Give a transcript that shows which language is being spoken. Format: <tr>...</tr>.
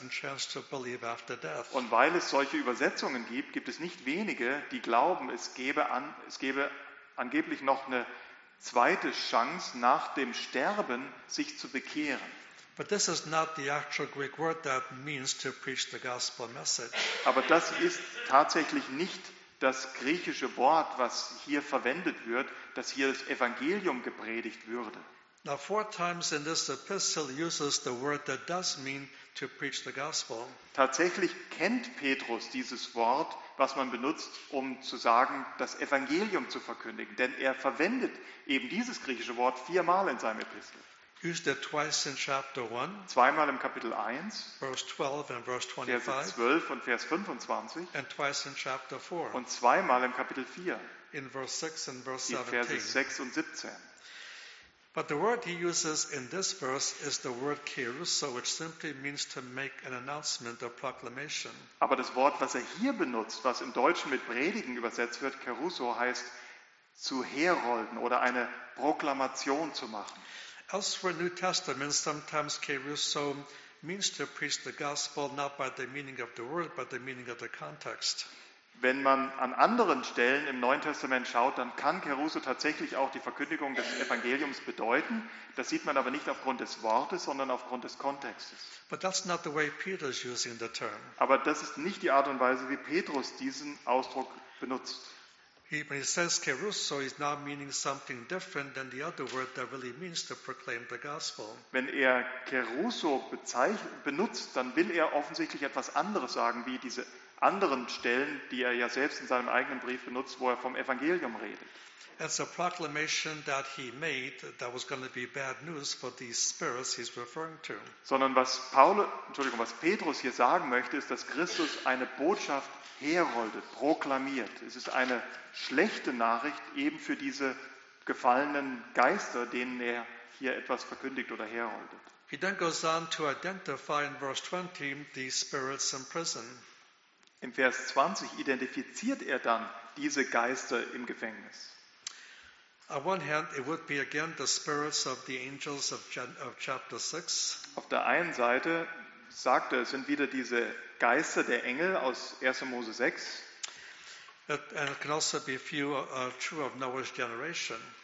<de>Und weil es solche Übersetzungen gibt, gibt es nicht wenige, die glauben, es gäbe angeblich noch eine zweite Chance nach dem Sterben, sich zu bekehren.</de> <en>But this is not the actual Greek word that means to preach the gospel message.</en> <de>Aber das ist tatsächlich nicht das griechische Wort, was hier verwendet wird, dass hier das Evangelium gepredigt würde.</de> <en>Now four times in this epistle uses the word that does mean to preach the gospel.</en> <de>Tatsächlich kennt Petrus dieses Wort, was man benutzt, um zu sagen, das Evangelium zu verkündigen, denn er verwendet eben dieses griechische Wort viermal in seinem Epistel.</de> <en>Used it twice in chapter 1.</en> <de>Zweimal im Kapitel 1.</de> <en>Verse 12 and verse 25.</en> <de>Vers 12 und Vers 25.</de> <en>And twice in chapter 4.</en> <de>Und zweimal im Kapitel 4.</de> <en>In verse 6 and verse 17.</en> <de>In Vers 6 und 17.</de> <en>But the word he uses in this verse is the word keruso, which simply means to make an announcement or proclamation.</en> <de>Aber das Wort, was er hier benutzt, was im Deutschen mit predigen übersetzt wird, keruso, heißt zu herolden oder eine Proklamation zu machen.</de> <en>Elsewhere in the New Testament, sometimes keruso means to preach the gospel not by the meaning of the word, but the meaning of the context.</en> <de>Wenn man an anderen Stellen im Neuen Testament schaut, dann kann Keruso tatsächlich auch die Verkündigung des Evangeliums bedeuten. Das sieht man aber nicht aufgrund des Wortes, sondern aufgrund des Kontextes.</de> <en>But that's not the way Peter's using the term.</en> <de>Aber das ist nicht die Art und Weise, wie Petrus diesen Ausdruck benutzt.</de> <en>When he says Keruso, he's now meaning something different than the other word that really means to proclaim the gospel.</en> <de>Wenn er Keruso benutzt, dann will er offensichtlich etwas anderes sagen, wie diese anderen Stellen, die er ja selbst in seinem eigenen Brief benutzt, wo er vom Evangelium redet.</de> <en>It's a proclamation that he made that was going to be bad news for these spirits he's referring to.</en> <de>Sondern was Petrus hier sagen möchte, ist, dass Christus eine Botschaft heroldet, proklamiert. Es ist eine schlechte Nachricht eben für diese gefallenen Geister, denen er hier etwas verkündigt oder heroldet.</de> <en>He then goes on to identify in verse 20 the spirits in prison.</en> <de>Im Vers 20 identifiziert er dann diese Geister im Gefängnis.</de> <en>On one hand, it would be again the spirits of the angels of chapter 6.</en> <de>Auf der einen Seite sagt er, es sind wieder diese Geister der Engel aus 1. Mose 6.</de> <en>And it can also be few true of Noah's generation.</en>